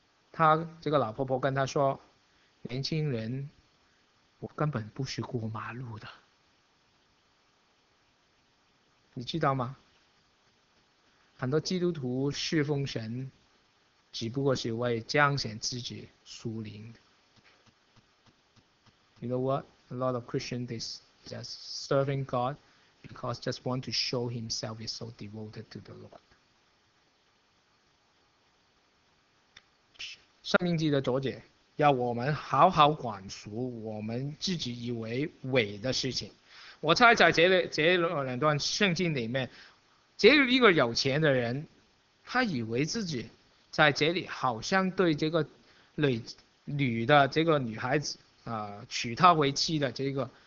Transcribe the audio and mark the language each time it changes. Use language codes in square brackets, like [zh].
[zh] 他这个老婆婆跟他说：“年轻人，我根本不是过马路的。” 你知道吗？很多基督徒侍奉神，只不过是为彰显自己属灵的。 [en] You know what? A lot of Christians is just serving God. Because just want to show himself is so devoted to the Lord. [zh] 生命记的作者要我们好好管束我们自己以为伟的事情。我猜在这两段圣经里面，这一个有钱的人，他以为自己在这里好像对这个女的这个女孩子啊、娶她为妻的这个。